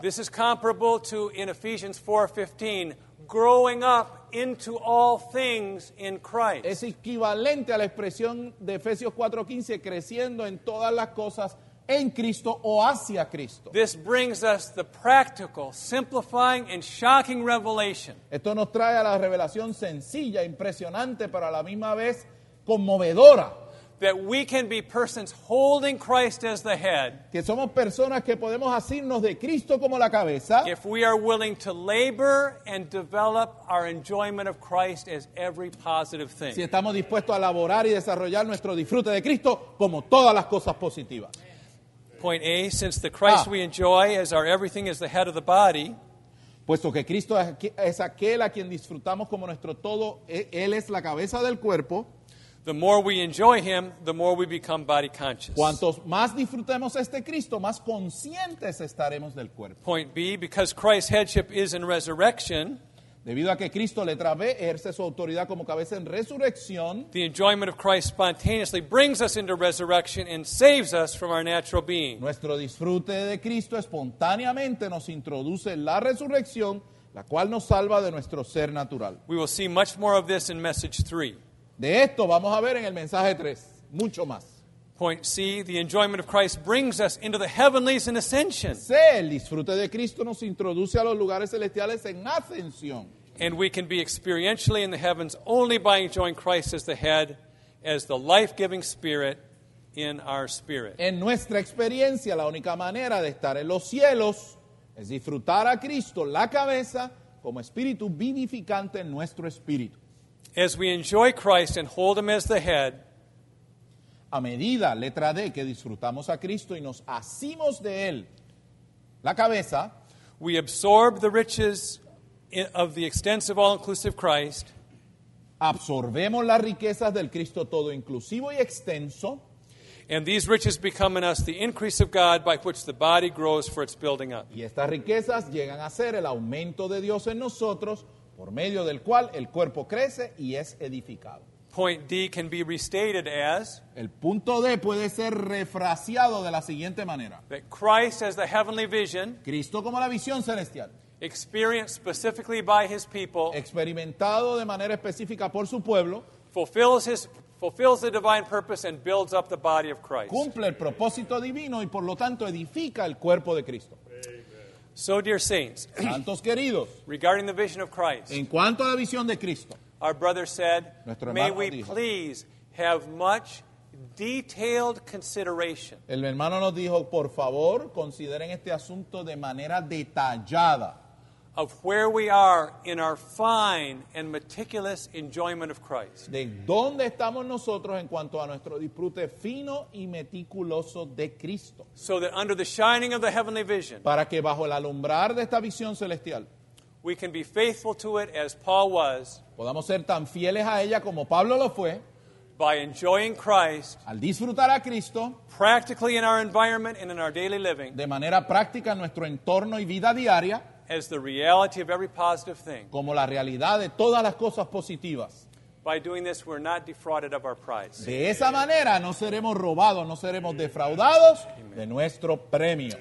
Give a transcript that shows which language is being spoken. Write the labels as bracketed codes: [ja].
[en] This is comparable to, in Ephesians 4:15, growing up into all things in Christ. [es] Es equivalente a la expresión de Efesios 4:15, creciendo en todas las cosas en Cristo o hacia Cristo. [en] This brings us the practical, simplifying and shocking revelation. [es] Esto nos trae a la revelación sencilla, impresionante, pero a la misma vez conmovedora. [en] That we can be persons holding Christ as the head. [es] Que somos personas que podemos asirnos de Cristo como la cabeza. [en] If we are willing to labor and develop our enjoyment of Christ as every positive thing. [es] Si estamos dispuestos a laborar y desarrollar nuestro disfrute de Cristo como todas las cosas positivas. [en] Point A, since the Christ we enjoy as our everything is the head of the body. [es] Puesto que Cristo es aquel a quien disfrutamos como nuestro todo, Él es la cabeza del cuerpo. [en] The more we enjoy Him, the more we become body conscious. [es] Cuantos más disfrutemos este Cristo, más conscientes estaremos del cuerpo. [en] Point B, because Christ's headship is in resurrection. [es] Debido a que Cristo le trae ejerce su autoridad como cabeza en resurrección. [en] The enjoyment of Christ spontaneously brings us into resurrection and saves us from our natural being. [es] Nuestro disfrute de Cristo espontáneamente nos introduce en la resurrección, la cual nos salva de nuestro ser natural. [en] We will see much more of this in message 3. [es] De esto vamos a ver en el mensaje 3, mucho más. [en] Point C, the enjoyment of Christ brings us into the heavenlies in ascension. [es] C, el disfrute de Cristo nos introduce a los lugares celestiales en ascensión. [en] And we can be experientially in the heavens only by enjoying Christ as the head, as the life-giving spirit in our spirit. [es] En nuestra experiencia, la única manera de estar en los cielos es disfrutar a Cristo, la cabeza, como espíritu vivificante en nuestro espíritu. [en] As we enjoy Christ and hold Him as the head, [es] a medida, letra D, que disfrutamos a Cristo y nos asimos de Él, la cabeza, [en] we absorb the riches of the extensive all-inclusive Christ, [es] absorbemos las riquezas del Cristo todo inclusivo y extenso, [en] and these riches become in us the increase of God by which the body grows for its building up. [es] Y estas riquezas llegan a ser el aumento de Dios en nosotros, por medio del cual el cuerpo crece y es edificado. [en] Point D can be restated as, [es] el punto D puede ser refraseado de la siguiente manera. [en] That Christ as the heavenly vision, [es] Cristo como la visión celestial, [en] experienced specifically by His people, [es] experimentado de manera específica por su pueblo, [en] fulfills the divine purpose and builds up the body of Christ. [es] Cumple el propósito divino y por lo tanto edifica el cuerpo de Cristo. [en] So, dear saints, [es] santos queridos, [en] regarding the vision of Christ, [es] en cuanto a la visión de Cristo, [en] our brother said, may we [es] dijo, [en] please have much detailed consideration. [es] El hermano nos dijo, por favor, consideren este asunto de manera detallada. [en] Of where we are in our fine and meticulous enjoyment of Christ. [es] De dónde estamos nosotros en cuanto a nuestro disfrute fino y meticuloso de Cristo. [en] So that under the shining of the heavenly vision. [es] Para que bajo el alumbrar de esta visión celestial. [en] We can be faithful to it as Paul was. [es] Podamos ser tan fieles a ella como Pablo lo fue. [en] By enjoying Christ, [es] al disfrutar a Cristo, [en] practically in our environment and in our daily living, [es] de manera práctica en nuestro entorno y vida diaria, [en] as the reality of every positive thing, [es] como la realidad de todas las cosas positivas. [en] By doing this, we're not defrauded of our prize. [es] De esa manera, no seremos robados, no seremos defraudados de nuestro premio.